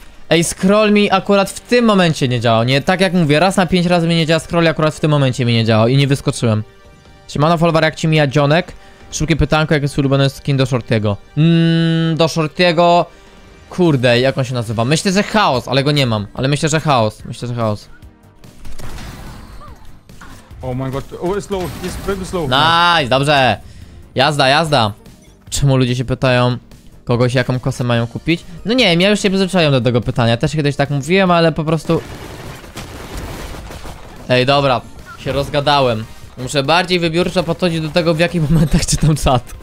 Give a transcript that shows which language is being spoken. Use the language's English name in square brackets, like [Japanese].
[Polish] Ej, scroll mi akurat w tym momencie nie działał, nie? Tak jak mówię, raz na 5 razy mi nie działa scroll, akurat w tym momencie mi nie działał i nie wyskoczyłem. Siemano, follower, jak ci mija Dzionek? Szybkie pytanko, jak jest ulubiony skin do Shortiego? Do Shortiego... Kurde, jak on się nazywa? Myślę, że chaos, ale go nie mam. Ale myślę, że chaos, myślę, że chaos. [English] Oh my god, oh, it's slow, it's pretty slow. [Polish] Nice, dobrze. Jazda, jazda. Czemu ludzie się pytają? Kogoś, jaką kosę mają kupić? No nie wiem, ja już się przyzwyczaiłem do tego pytania. Też kiedyś tak mówiłem, ale po prostu... Ej, dobra. Się rozgadałem. Muszę bardziej wybiórczo podchodzić do tego, w jakich momentach czytam czat.